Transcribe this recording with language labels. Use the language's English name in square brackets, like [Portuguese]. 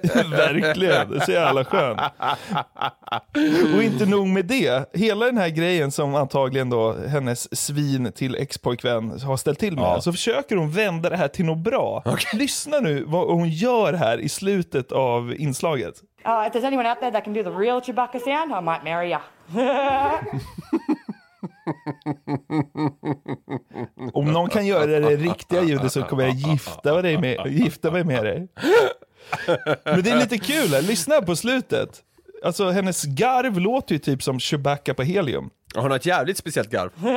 [Swedish] Verkligen, det är så jävla skönt. Och inte nog med det, hela den här grejen som antagligen då hennes svin till ex-pojkvän har ställt till med, så försöker hon vända det här till något bra. Lyssna nu vad hon gör här i slutet av inslaget. [English] If there's anyone out there that can do the real Chewbacca sound, I might marry ya. [Swedish] Om någon kan göra det riktiga ljudet så kommer jag gifta mig med dig. Men det är lite kul, lyssna på slutet. Alltså hennes garv låter ju typ som Chewbacca på helium. Hon har ett jävligt speciellt garv.